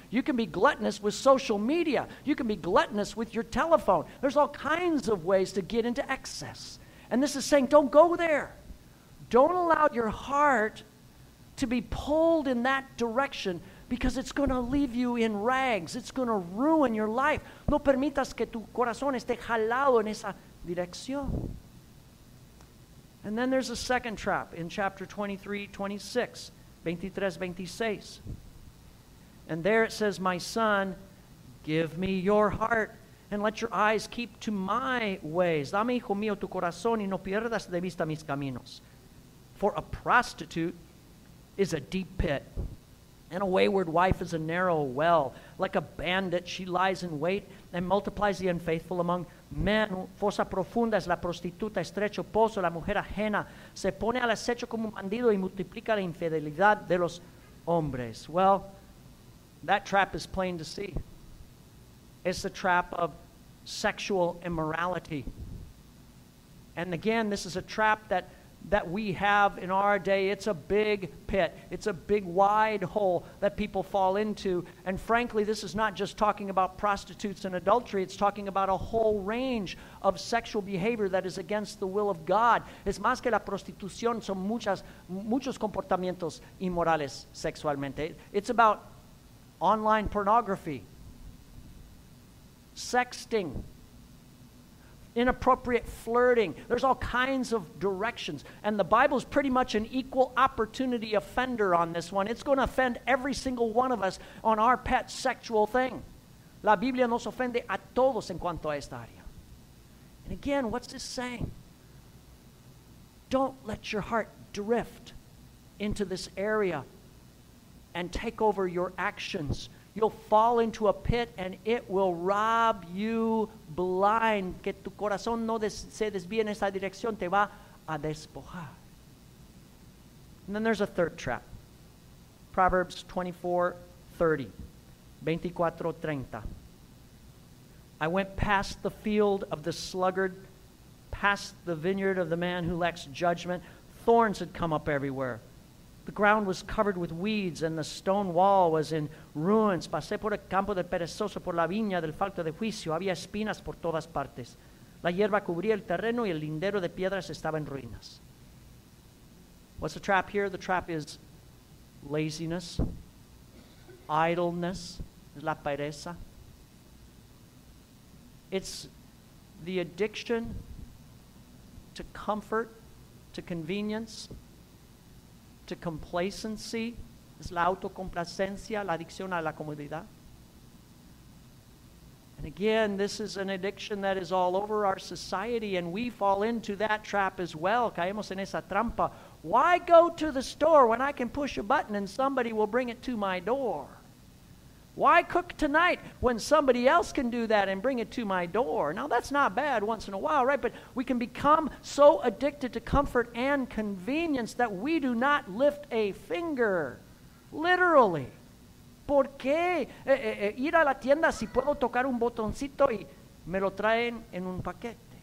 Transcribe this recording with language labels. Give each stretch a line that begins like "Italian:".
English: You can be gluttonous with social media. You can be gluttonous with your telephone. There's all kinds of ways to get into excess. And this is saying, don't go there. Don't allow your heart to be pulled in that direction, because it's going to leave you in rags. It's going to ruin your life.
Spanish: No permitas que tu corazón esté jalado en esa dirección.
English: And then there's a second trap in chapter 23, 26. And there it says, my son, give me your heart and let your eyes keep to my ways.
Spanish: Dame, hijo mío, tu corazón y no pierdas de vista mis caminos.
English: For a prostitute is a deep pit, and a wayward wife is a narrow well. Like a bandit, she lies in wait and multiplies the unfaithful among men.
Spanish: Fosa profunda es la prostituta, estrecho pozo, la mujer ajena. Se pone al acecho como un bandido y multiplica la infidelidad de los hombres.
English: Well, that trap is plain to see. It's the trap of sexual immorality. And again, this is a trap that we have in our day. It's a big pit. It's a big wide hole that people fall into. And frankly, this is not just talking about prostitutes and adultery. It's talking about a whole range of sexual behavior that is against the will of God.
Spanish: Es más que la prostitución, son muchos comportamientos inmorales sexualmente.
English: It's about online pornography, sexting, inappropriate flirting. There's all kinds of directions. And the Bible's pretty much an equal opportunity offender on this one. It's going to offend every single one of us on our pet sexual thing.
Spanish: La Biblia nos ofende a todos en cuanto a esta área.
English: And again, what's this saying? Don't let your heart drift into this area and take over your actions. You'll fall into a pit and it will rob you blind.
Spanish: Que tu corazón no se desvíe en esa dirección, te va a despojar.
English: And then there's a third trap. Proverbs 24:30. I went past the field of the sluggard, past the vineyard of the man who lacks judgment. Thorns had come up everywhere. The ground was covered with weeds and the stone wall was in ruins.
Spanish: Pasé por el campo del perezoso, por la viña del falto de juicio. Había espinas por todas partes. La hierba cubría el terreno y el lindero de piedras estaba en ruinas.
English: What's the trap here? The trap is laziness, idleness,
Spanish: la pereza.
English: It's the addiction to comfort, to convenience, to complacency. Es la autocomplacencia, la adicción a la comodidad. And again, this is an addiction that is all over our society, and we fall into that trap as well.
Spanish: Caemos en esa trampa.
English: Why go to the store when I can push a button and somebody will bring it to my door? Why cook tonight when somebody else can do that and bring it to my door? Now, that's not bad once in a while, right? But we can become so addicted to comfort and convenience that we do not lift a finger, literally.
Spanish: ¿Por qué ir a la tienda si puedo tocar un botoncito y me lo traen en un paquete?